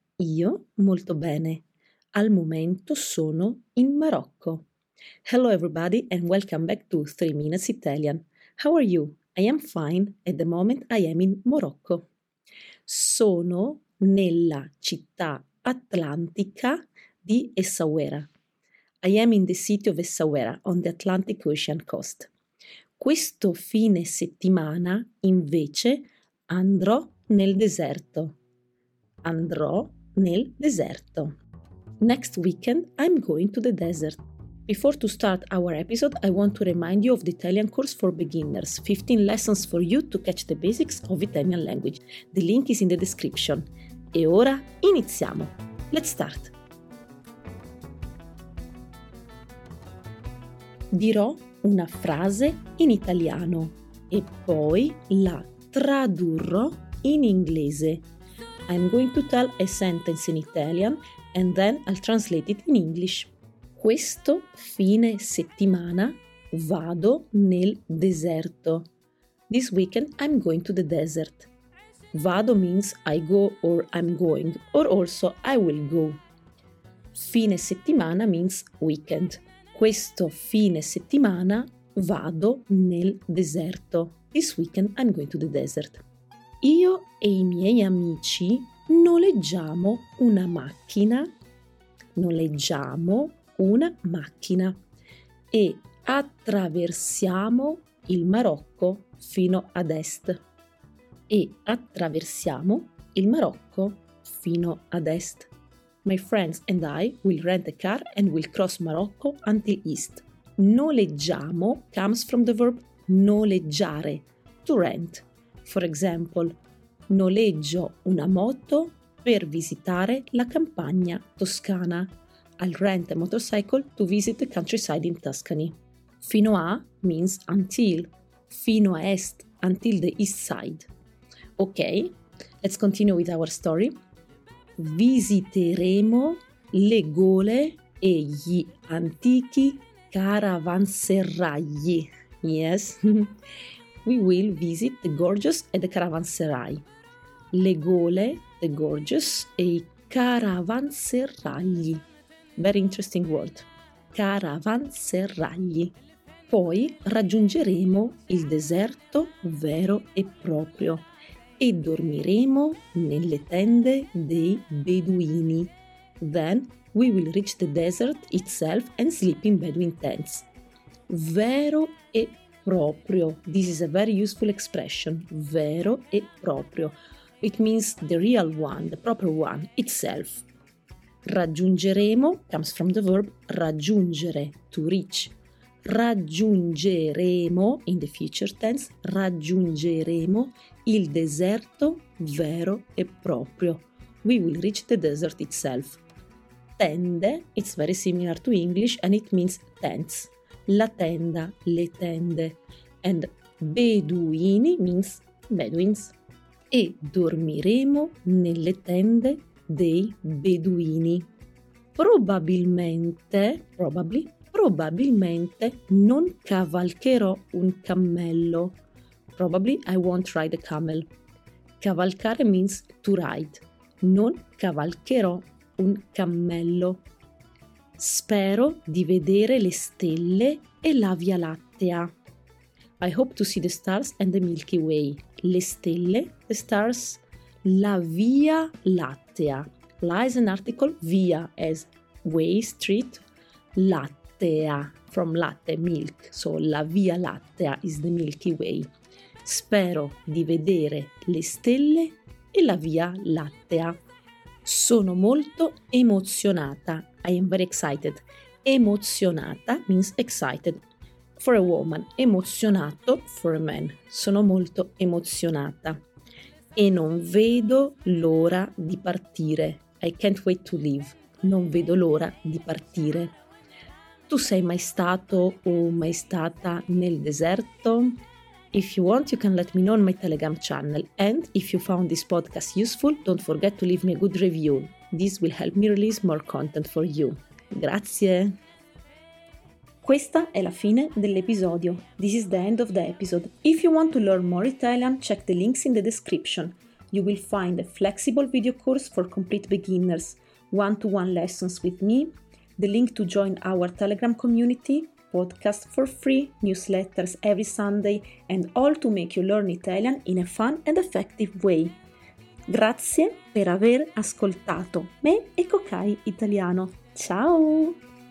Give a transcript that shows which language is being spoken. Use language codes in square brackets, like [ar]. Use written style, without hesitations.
[it] Io molto bene. Al momento sono in Marocco. [en] Hello everybody and welcome back to 3 Minutes Italian. How are you? I am fine. At the moment I am in Morocco. [it] Sono nella città atlantica di Essaouira. [en] I am in the city of Essaouira on the Atlantic Ocean coast. [it] Questo fine settimana, invece, andrò nel deserto. Andrò nel deserto. [en] Next weekend, I'm going to the desert. Before to start our episode, I want to remind you of the Italian course for beginners. 15 lessons for you to catch the basics of Italian language. The link is in the description. [it] E ora iniziamo. [en] Let's start. [it] Dirò una frase in italiano e poi la tradurrò in inglese. [en] I'm going to tell a sentence in Italian and then I'll translate it in English. [it] Questo fine settimana vado nel deserto. [en] This weekend I'm going to the desert. Vado means I go or I'm going or also I will go. Fine settimana means weekend. [it] Questo fine settimana vado nel deserto. [en] This weekend I'm going to the desert. [it] Io e i miei amici noleggiamo una macchina. Noleggiamo una macchina e attraversiamo il Marocco fino ad est. E attraversiamo il Marocco fino ad est. [en] My friends and I will rent a car and will cross Morocco until east. Noleggiamo comes from the verb noleggiare, to rent. For example, [it] noleggio una moto per visitare la campagna toscana. [en] I'll rent a motorcycle to visit the countryside in Tuscany. Fino a means until. [it] Fino a est, [en] until the east side. Ok, let's continue with our story. [it] Visiteremo le gole e gli antichi caravanserai. [en] Yes, we will visit the gorges and the caravanserai. [it] Le gole, [en] the gorges, [it] e i caravanserai. [en] Very interesting word. Caravanserai. [it] Poi raggiungeremo il deserto vero e proprio. E dormiremo nelle tende dei beduini. [en] Then we will reach the desert itself and sleep in Bedouin tents. [it] Vero e proprio. [en] This is a very useful expression. [it] Vero e proprio. [en] It means the real one, the proper one, itself. Raggiungeremo comes from the verb raggiungere, to reach. [it] Raggiungeremo, [en] in the future tense, [it] raggiungeremo il deserto vero e proprio. [en] We will reach the desert itself. Tende, it's very similar to English and it means tents. [it] La tenda, le tende. [en] And beduini means bedouins. [it] E dormiremo nelle tende dei beduini. Probabilmente non cavalcherò un cammello. [en] Probably I won't ride a camel. Cavalcare means to ride. [it] Non cavalcherò un cammello. Spero di vedere le stelle e la Via Lattea. [en] I hope to see the stars and the Milky Way. [it] Le stelle, [en] the stars, la Via Lattea. La is an article, via as way, street, latte. From latte, milk. So la Via Lattea is the Milky Way. [it] Spero di vedere le stelle e la Via Lattea. Sono molto emozionata. [en] I am very excited. Emozionata means excited for a woman. Emozionato for a man. [it] Sono molto emozionata. E non vedo l'ora di partire. [en] I can't wait to leave. [it] Non vedo l'ora di partire. Tu sei mai stato o mai stata nel deserto? [en] If you want, you can let me know on my Telegram channel. And if you found this podcast useful, don't forget to leave me a good review. This will help me release more content for you. [it] Grazie! Questa è la fine dell'episodio. [en] This is the end of the episode. If you want to learn more Italian, check the links in the description. You will find a flexible video course for complete beginners, one-to-one lessons with me, the link to join our Telegram community, podcast for free, newsletters every Sunday, and all to make you learn Italian in a fun and effective way. [it] Grazie per aver ascoltato me e Cocai Italiano. Ciao!